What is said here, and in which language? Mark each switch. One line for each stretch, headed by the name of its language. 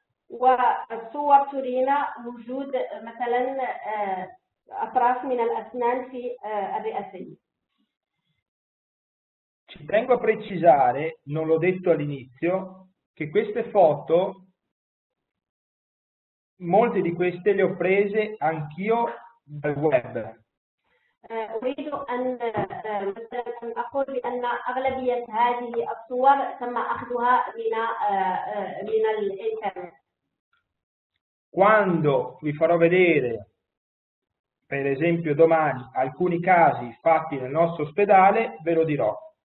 Arabic: والصور ترينا وجود مثلا أطراف من الأسنان في الرئتين.
Italian: Ci tengo a precisare, non l'ho detto all'inizio, che queste foto, molte di queste le ho prese anch'io dal web.
Arabic: أريد أن أقول بأن أغلبية هذه الصور تم أخذها من الإنترنت.
Italian: Quando vi farò vedere, per esempio domani, alcuni casi fatti nel nostro ospedale, ve lo dirò.